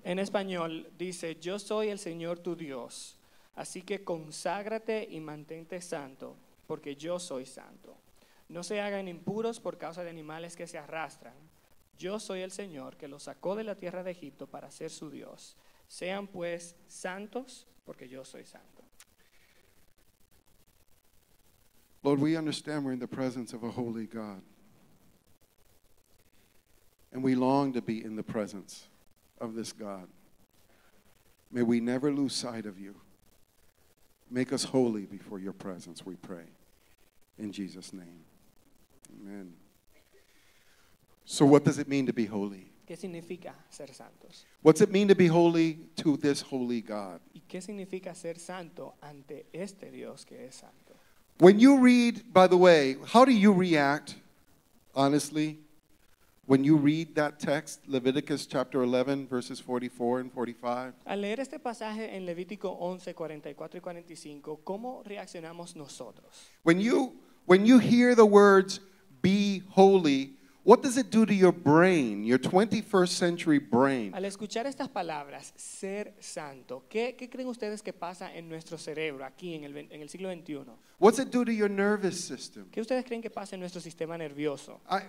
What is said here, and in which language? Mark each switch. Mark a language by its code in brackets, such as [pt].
[es] En español dice, yo soy el Señor tu Dios, así que conságrate y mantente santo, porque yo soy santo. No se hagan impuros por causa de animales que se arrastran. Yo soy el Señor que los sacó de la tierra de Egipto para ser su Dios. Sean pues santos, porque yo soy santo. [en] Lord, we understand we're in the presence of a holy God. And we long to be in the presence of this God. May we never lose sight of you. Make us holy before your presence, we pray. In Jesus' name. Amen. So what does it mean to be holy? [es] ¿Qué significa ser santos? [en] What's it mean to be holy to this holy God? [es] ¿Y qué significa ser santo ante este Dios que es santo? [en] When you read, by the way, how do you react, honestly, when you read that text, Leviticus chapter 11, verses 44 and 45? [es] Al leer este pasaje en Levítico 11, 44 y 45, ¿cómo reaccionamos nosotros? [en] When you hear the words, be holy, what does it do to your brain, your 21st century brain? [es] Al escuchar estas palabras, ser santo, ¿qué creen ustedes que pasa en nuestro cerebro aquí en el siglo XXI? [en] What's it do to your nervous system? [es] ¿Qué ustedes creen que pasa en nuestro sistema nervioso?